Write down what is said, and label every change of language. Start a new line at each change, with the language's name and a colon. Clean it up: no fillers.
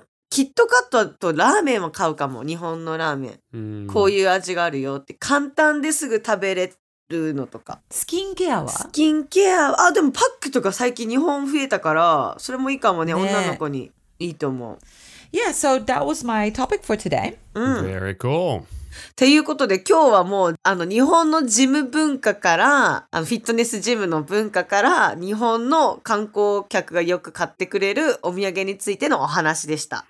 Japanese: キットカットとラーメンも買うかも、日本のラーメン。こういう味があるよって。簡単ですぐ食べれるのとか。スキンケアは？スキンケア。でもパックとか最近日本増えたから、それもいいかもね、ね、女の子にいいと思う。
English: Yeah, so that was my topic for today. Very cool.
Japanese: ということで今日はもう日本のジム文化からフィットネスジムの文化から日本の観光客がよく買ってくれるお土産についてのお話でした。